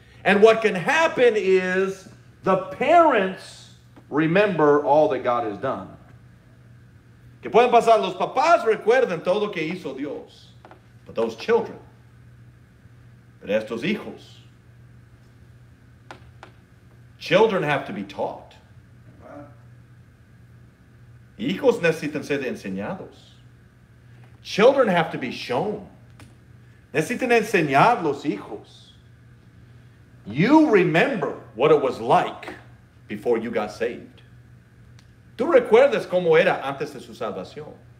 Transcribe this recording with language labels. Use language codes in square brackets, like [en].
[en] And what can happen is the parents remember all that God has done. [es] Que pueden pasar, los papás recuerden todo que hizo Dios. [en] But those children, [es] pero estos hijos, [en] children have to be taught. [es] Hijos necesitan ser enseñados. [en] Children have to be shown. [es] Necesitan enseñar los hijos. [en] You remember what it was like before you got saved. [es] Tú recuerdas cómo era antes de su salvación.